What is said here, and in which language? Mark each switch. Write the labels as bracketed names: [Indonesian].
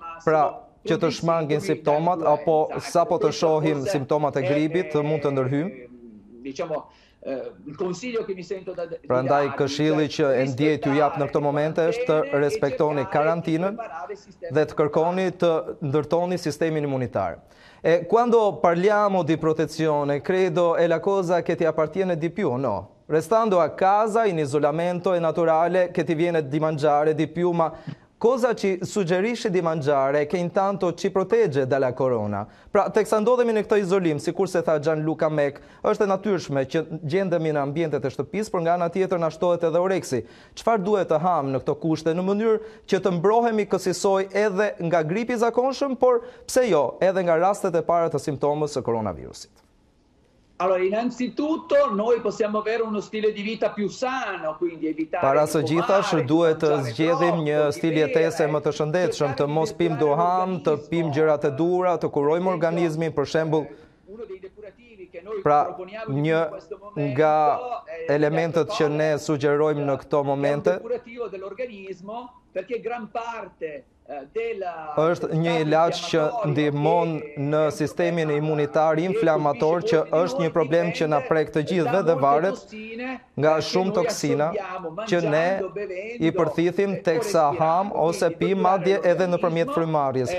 [Albanian] Pra, që të shmangin simptomat apo sapo të shohim simptomat e gripit të mund të ndërhyjmë. Prandaj këshilli që e ndjej t'ju jap në këto momente është të respektoni karantinën dhe të kërkoni të ndërtoni sistemin imunitar. [Italian] E quando parliamo di protezione, credo è la cosa che ti appartiene di più, no? Restando a casa in isolamento è naturale che ti viene di mangiare di più, ma cosa ci suggerisci di mangiare che intanto ci protegge dalla corona? [Albanian] Pra, teksa ndodhemi në këtë izolim, sikur se tha Gianluca Mek, është e natyrshme që gjendemi në ambientet të shtëpisë, por nga ana tjetër na shtohet edhe oreksi. Çfarë duhet të ham në këto kushte në mënyrë që të mbrohemi kësaj edhe nga gripi i zakonshëm, por pse jo, edhe nga rastet e para të simptomës së koronavirusit? [Italian] Allora, innanzitutto noi possiamo avere uno stile di vita più sano, quindi evitare. [Albanian] Para së gjithash duhet të zgjedhim një stil jetese më të shëndetshëm, të mos pim duham, të pim gjëra të dhura, të kurojmë organizmin, për shembull. Pra, një nga elementët që ne sugjerojmë në këto momente është një ilaç që ndihmon në sistemin imunitar inflamator, që është një problem që na prek të gjithëve dhe varet nga shumë toksina që ne i përthithim teksa ham ose pi, madje edhe nëpërmjet frymarrjes.